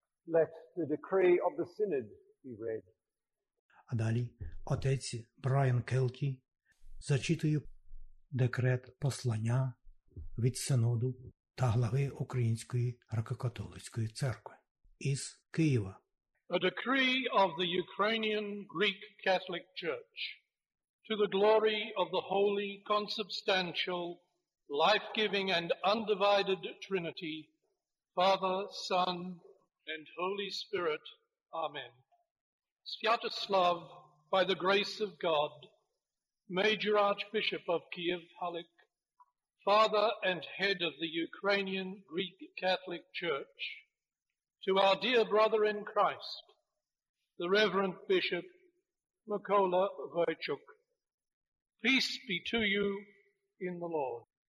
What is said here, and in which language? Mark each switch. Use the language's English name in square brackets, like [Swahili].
[English] Let the decree of the Synod be read. [Ukrainian] А далі отець Брайан Келті зачитує декрет послання від Синоду та глави Української греко-католицької церкви. Із Києва. [English] A decree of the Ukrainian Greek Catholic Church to the glory of the holy, consubstantial, life-giving and undivided Trinity, Father, Son, and Holy Spirit. Amen. Sviatoslav, by the grace of God, Major Archbishop of Kiev, Halyk, Father and Head of the Ukrainian Greek Catholic Church, to our dear brother in Christ, the Reverend Bishop Mykola Voychuk, peace be to you in the Lord.